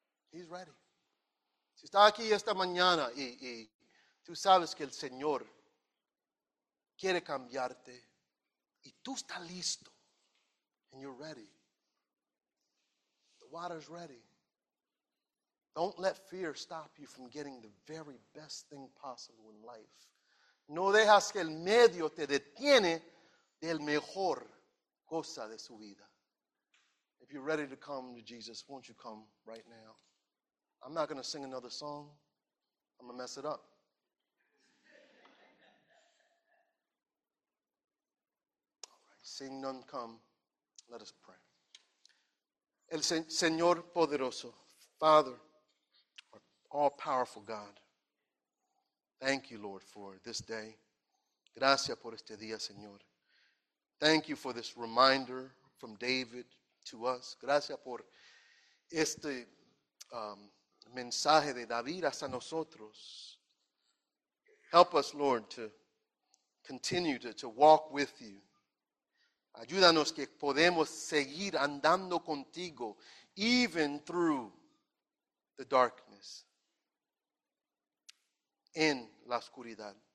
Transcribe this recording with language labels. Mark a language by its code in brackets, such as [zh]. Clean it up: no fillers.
[en] He's ready. [es] Si está aquí esta mañana y tú sabes que el Señor quiere cambiarte y tú estás listo [en] and you're ready. The water's ready. Don't let fear stop you from getting the very best thing possible in life. [es] No dejas que el medio te detiene del mejor cosa de su vida. [en] If you're ready to come to Jesus, won't you come right now? I'm not going to sing another song. I'm going to mess it up. All right. Sing none, come. Let us pray. [es] El Señor Poderoso, [en] Father, all-powerful God. Thank you, Lord, for this day. [es] Gracias por este día, Señor. [en] Thank you for this reminder from David to us. [es] Gracias por este mensaje de David hasta nosotros. [en] Help us, Lord, to continue to walk with you. [es] Ayúdanos que podemos seguir andando contigo [en] even through the darkness. [es] En la oscuridad.